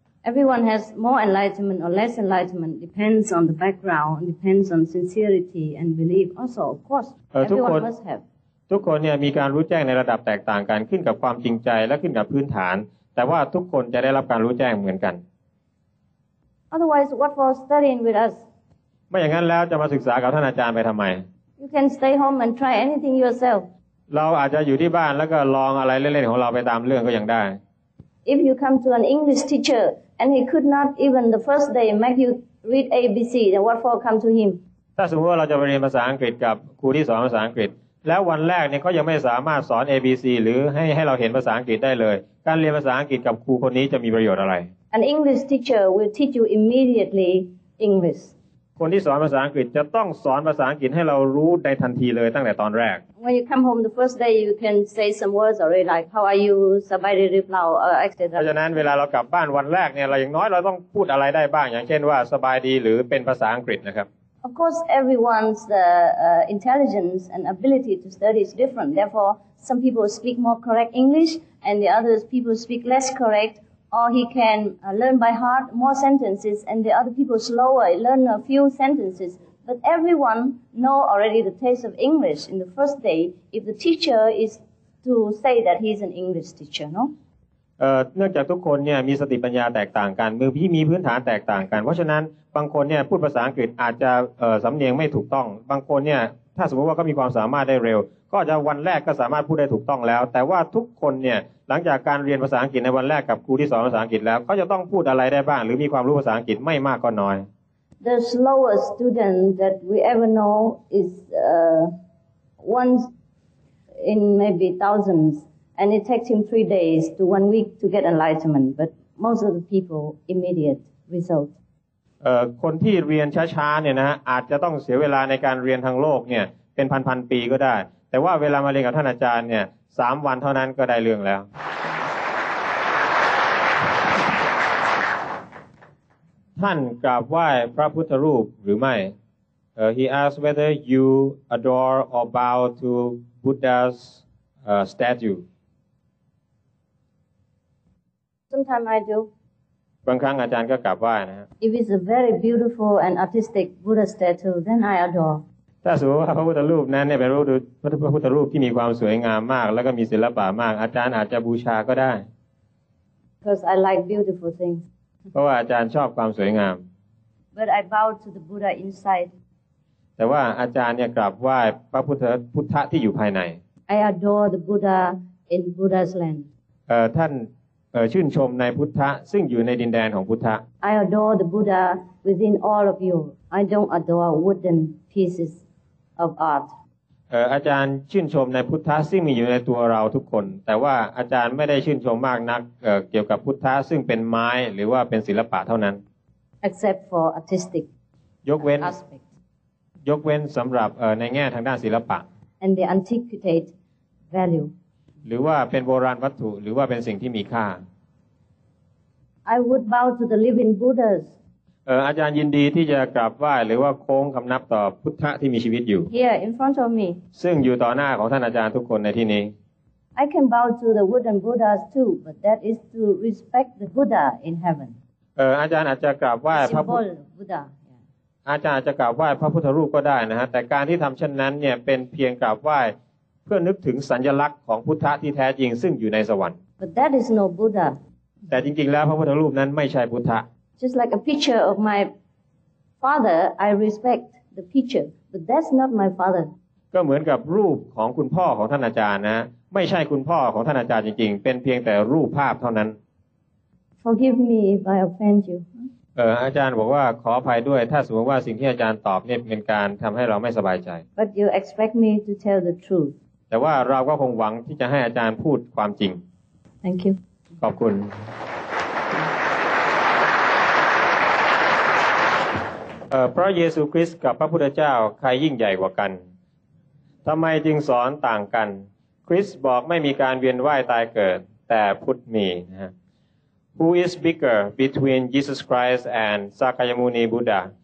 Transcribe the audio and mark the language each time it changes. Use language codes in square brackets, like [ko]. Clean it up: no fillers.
[en] Everyone has more enlightenment or less enlightenment depends on the background depends on sincerity and belief also of course everyone must have [th] ทุกคนเนี่ยมีการรู้แจ้งในระดับแตกต่างกันขึ้นกับความจริงใจและขึ้นกับพื้นฐานแต่ว่าทุกคนจะได้รับการรู้แจ้งเหมือนกัน [en] Otherwise what for studying with us [th] ไม่อย่างนั้นแล้วจะมาศึกษากับท่านอาจารย์ไปทำไม [en] You can stay home and try anything yourself [th] เราอาจจะอยู่ที่บ้านแล้วก็ลองอะไรเล่นๆของเราไปตามเรื่องก็ยังได้ [en] If you come to an English teacher and he could not even the first day make you read A B C, then what for come to him? [th] ถ้าสมมติว่าเราจะไปเรียนภาษาอังกฤษกับครูที่สอนภาษาอังกฤษแล้ววันแรกเนี่ยเขายังไม่สามารถสอน A B C หรือให้เราเห็นภาษาอังกฤษได้เลยการเรียนภาษาอังกฤษกับครูคนนี้จะมีประโยชน์อะไร [en] An English teacher will teach you immediately English. [th] คนที่สอนภาษาอังกฤษจะต้องสอนภาษาอังกฤษให้เรารู้ได้ทันทีเลยตั้งแต่ตอนแรก [en] When you come home the first day you can say some words already like how are you [th] สบายดีหรือเปล่า [en] etc. [th] เพราะฉะนั้นเวลาเรากลับบ้านวันแรกเนี่ยเราอย่างน้อยเราต้องพูดอะไรได้บ้างอย่างเช่นว่าสบายดีหรือเป็นภาษาอังกฤษนะครับ [en] Of course everyone's intelligence and ability to study is different therefore some people speak more correct English and the others people speak less correct or he can learn by heart more sentences and the other people slower learn a few sentences but everyone know already the taste of English in the first day if the teacher is to say that he's an English teacher no [th] เนื่องจากทุกคนเนี่ยมีสติปัญญาแตกต่างกันมือพี่มีพื้นฐานแตกต่างกันเพราะฉะนั้นบางคนเนี่ยพูดภาษาอังกฤษอาจจะสำเนียงไม่ถูกต้องบางคนเนี่ยถ้าสมมติว่าเขามีความสามารถได้เร็วก็จะวันแรกก็สามารถพูดได้ถูกต้องแล้วแต่ว่าทุกคนเนี่ยหลังจากการเรียนภาษาอังกฤษในวันแรกกับครูที่สอนภาษาอังกฤษแล้วเขาจะต้องพูดอะไรได้บ้างหรือมีความรู้ภาษาอังกฤษไม่มากก็น้อย [en] The slowest student that we ever know is once in maybe thousands and it takes him 3 days to 1 week to get enlightenment but most of the people immediate result [th] คนที่เรียนช้าๆเนี่ยนะฮะอาจจะต้องเสียเวลาในการเรียนทางโลกเนี่ยเป็นพันๆปีก็ได้แต่ว่าเวลามาเรียนกับท่านอาจารย์เนี่ย3 วันเท่านั้นก็ได้เรื่องแล้ว ท่านกราบไหว้พระพุทธรูปหรือไม่ [en] he asked whether you adore or bow to Buddha's statue Sometimes I do [th] บางครั้งอาจารย์ก็กราบไหว้นะฮะ [en] If it's a very beautiful and artistic Buddha statue then I adore [th] ถ้าสมมติว่าพระพุทธรูปนั้นเนี่ยเป็นพระพุทธรูปที่มีความสวยงามมากแล้วก็มีศิลปะมากอาจารย์อาจจะบูชาก็ได้ [en] Because I like beautiful things [th] เพราะว่าอาจารย์ชอบความสวยงาม [en] But I bowed to the Buddha inside. [th] แต่ว่าอาจารย์เนี่ยกราบไหว้พระพุทธพุทธะที่อยู่ภายใน [en] I adore the Buddha in Buddha's land. [th] ท่านชื่นชมในพุทธะซึ่งอยู่ในดินแดนของพุทธะ [en] I adore the Buddha within all of you. I don't adore wooden pieces of art. [th] อาจารย์ชื่นชมในพุทธะซึ่งมีอยู่ในตัวเราทุกคนแต่ว่าอาจารย์ไม่ได้ชื่นชมมากนักเกี่ยวกับพุทธะซึ่งเป็นไม้หรือว่าเป็นศิลปะเท่านั้น [en] Except for artistic aspect. [th] ยกเว้นสำหรับในแง่ทางด้านศิลปะ [en] And the antiquated value. [th] หรือว่าเป็นโบราณวัตถุหรือว่าเป็นสิ่งที่มีค่า [en] I would bow to the living Buddhas [th] อาจารย์ยินดีที่จะกราบไหว้หรือว่าโค้งคำนับต่อพุทธะที่มีชีวิตอยู่ [en] Here in front of me [th] ซึ่งอยู่ต่อหน้าของท่านอาจารย์ทุกคนในที่นี้ [en] I can bow to the wooden Buddhas too but that is to respect the Buddha in heaven [th] อาจารย์อาจจะกราบไหว้พระพุทธ Buddha อาจารย์อาจจะกราบไหว้พระพุทธรูปก็ได้นะฮะแต่การที่ทำเช่นนั้นเนี่ยเป็นเพียงกราบไหว้เพื่อนึกถึงสัญลักษณ์ของพุทธะที่แท้จริงซึ่งอยู่ในสวรรค์ [en] But that is no Buddha [th] แต่จริงๆแล้วพระพุทธรูปนั้นไม่ใช่พุทธะ [en] Just like a picture of my father I respect the picture but that's not my father [th] ก็เหมือนกับรูปของคุณพ่อของท่านอาจารย์นะไม่ใช่คุณพ่อของท่านอาจารย์จริงๆเป็นเพียงแต่รูปภาพเท่านั้น [en] Forgive me if I offend you [th] อาจารย์บอกว่าขออภัยด้วยถ้าสมมติว่าสิ่งที่อาจารย์ตอบเนี่ยเป็นการทําให้เราไม่สบายใจ [en] But you expect me to tell the truth [th] แต่ว่าเราก็คงหวังที่จะให้อาจารย์พูดความจริง [en] Thank you [th] ขอบคุณ พระเยซูคริสต์กับพระพุทธเจ้าใครยิ่งใหญ่กว่ากันทำไมจึงสอนต่างกันคริสต์บอกไม่มีการเวียนว่ายตายเกิดแต่พุทธมีนะฮะ [en] Who is bigger between Jesus Christ and Sakyamuni Buddha?